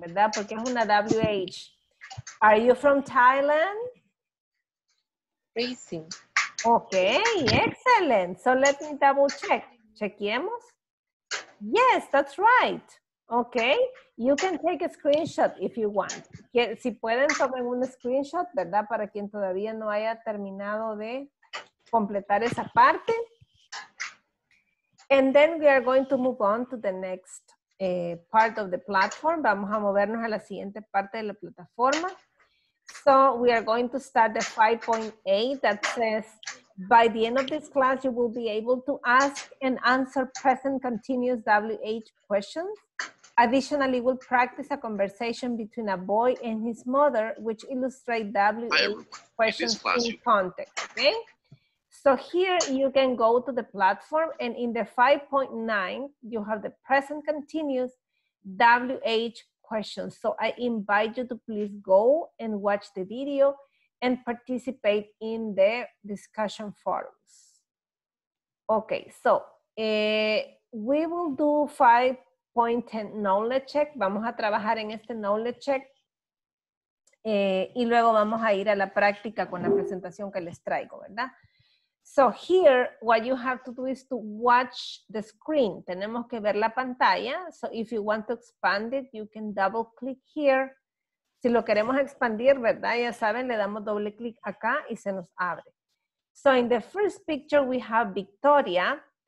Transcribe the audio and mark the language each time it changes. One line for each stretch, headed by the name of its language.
Spanish: ¿verdad? Porque es una WH.
English: Are you from Thailand? Racing. Okay, excellent. So let me double check.
Spanish: Chequeemos.
English: Yes, that's right. Okay, you can take a screenshot if you want.
Spanish: Si pueden, tomen un screenshot, ¿verdad? Para quien todavía no haya terminado de completar esa parte.
English: And then we are going to move on to the next part of the platform.
Spanish: Vamos a movernos a la siguiente parte de la plataforma.
English: So we are going to start the 5.8 that says, by the end of this class, you will be able to ask and answer present continuous WH questions. Additionally, we'll practice a conversation between a boy and his mother, which illustrate WH questions in context, okay? So here you can go to the platform and in the 5.9, you have the present continuous WH questions. So I invite you to please go and watch the video and participate in the discussion forums. Okay, so we will do 5.10 knowledge check.
Spanish: Vamos a trabajar en este knowledge check. Y luego vamos a ir a la práctica con la presentación que les traigo, ¿verdad?
English: So here, what you have to do is to watch the screen.
Spanish: Tenemos que ver la pantalla.
English: So if you want to expand it, you can double click here.
Spanish: Si lo queremos expandir, ¿verdad? Ya saben, le damos doble clic acá y se nos abre.
English: So in the first picture, we have Victoria.